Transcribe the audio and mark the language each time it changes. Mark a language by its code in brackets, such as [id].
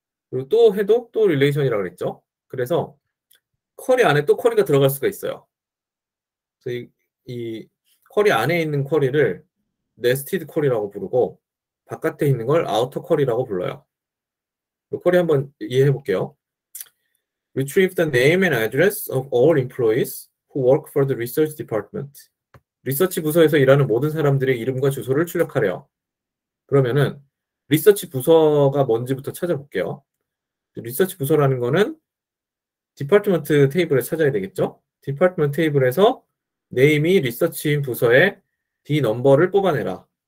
[ko] 그리고 또 해도 또 릴레이션이라 그랬죠. 그래서 쿼리 안에 또 쿼리가 들어갈 수가 있어요. 이 쿼리 안에 있는 쿼리를 네스티드 쿼리라고 부르고, 바깥에 있는 걸 아우터 쿼리라고 불러요. 이 쿼리 한번 이해해 볼게요. [en] Retrieve the name and address of all employees who work for the research department. [ko] 리서치 부서에서 일하는 모든 사람들의 이름과 주소를 출력하래요. 그러면은 리서치 부서가 뭔지부터 찾아볼게요. 리서치 부서라는 거는 디파트먼트 테이블에 찾아야 되겠죠? 디파트먼트 테이블에서 네임이 리서치인 부서에 D 넘버를 뽑아내라.